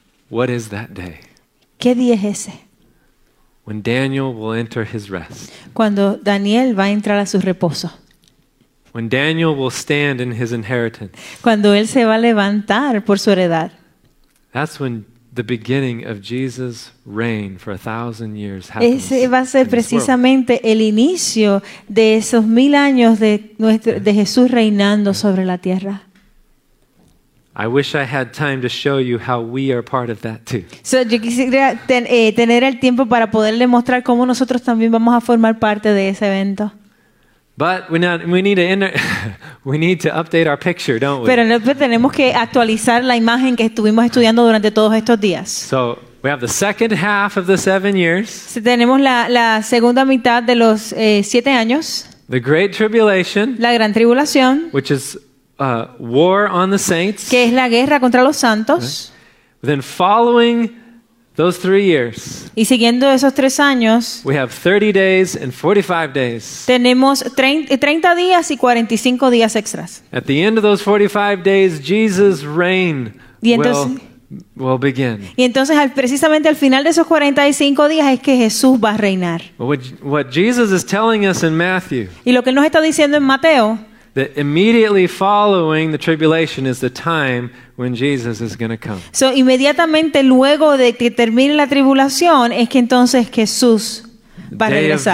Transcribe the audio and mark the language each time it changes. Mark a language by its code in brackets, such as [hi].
[en] What is that day? [es] ¿Qué día es ese? [en] When Daniel will enter his rest. [es] Cuando Daniel va a entrar a su reposo. [en] When Daniel will stand in his inheritance. [es] Cuando él se va a levantar por su heredad. [en] That's when the beginning of Jesus' reign for 1,000 years happens. [es] Ese va a ser precisamente el inicio de esos 1,000 años de Jesús reinando sobre la tierra. [en] I wish I had time to show you how we are part of that too. [es] So yo quisiera tener el tiempo para poderle mostrar cómo nosotros también vamos a formar parte de ese evento. [en] But we need to update our picture, don't we? [es] Pero tenemos que actualizar la imagen que estuvimos estudiando durante todos estos días. [en] So we have the second half of the 7 years. [es] Tenemos la segunda mitad de los 7 años. [en] The great tribulation. [es] La gran tribulación. [en] Which is war on the saints. [es] Que es la guerra contra los santos. [en] Right? Then following those 3 years. [es] Y siguiendo esos 3 años. [en] We have 30 days and 45 days. [es] Tenemos 30 días y 45 días extras. [en] At the end of those 45 days, Jesus' reign will begin. [es] Y entonces precisamente al final de esos 45 días es que Jesús va a reinar. [en] What Jesus is telling us in Matthew. [es] Y lo que nos está diciendo en Mateo. [en] that immediately following the tribulation is the time when Jesus is going to come. [es] So inmediatamente luego de que termine la tribulación es que entonces Jesús va a regresar.